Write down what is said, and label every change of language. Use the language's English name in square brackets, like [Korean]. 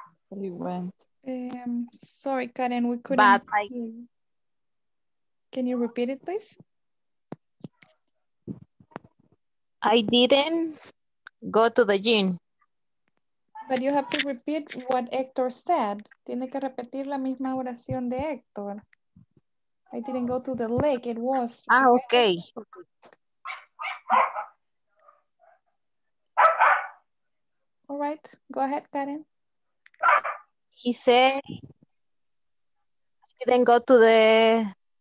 [English] You went. Sorry, Karen, we couldn't hear you. Can you repeat it, please? I didn't go to the gym. But you have to repeat what Hector said. [Spanish] Tiene que repetir la misma oración de Hector. [English] I didn't go to the lake, it was. Ah, okay. All right, go ahead, Karen. He said, I didn't go to the